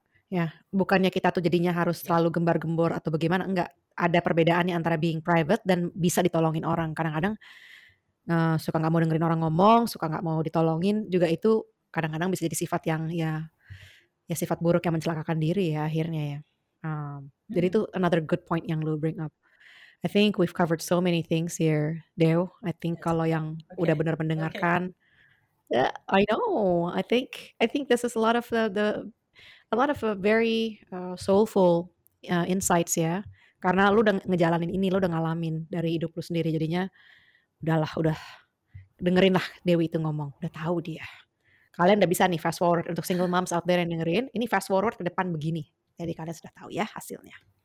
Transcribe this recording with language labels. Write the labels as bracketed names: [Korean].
[Indonesian] Ya, bukannya kita tuh jadinya harus selalu gembar-gembor atau bagaimana, enggak. Ada perbedaannya antara [English] being private [Indonesian] dan bisa ditolongin orang. Kadang-kadang suka enggak mau dengerin orang ngomong, suka enggak mau ditolongin, juga itu kadang-kadang bisa jadi sifat yang ya sifat buruk yang mencelakakan diri ya akhirnya ya. Jadi itu [English] another good point [Indonesian] yang lu [English] bring up. I think we've covered so many things here, Dew. I think [Indonesian] kalau yang udah benar mendengarkan, [English] yeah, I know. I think this is a lot of very soulful insights ya. [Indonesian] Karena lu udah ngejalanin ini, lu udah ngalamin dari hidup lu sendiri. Jadinya udah dengerin lah Dewi itu ngomong. Udah tahu dia. Kalian udah bisa nih fast forward untuk [English] single moms out there [Indonesian] yang dengerin. Ini fast forward ke depan begini. Jadi kalian sudah tahu ya hasilnya.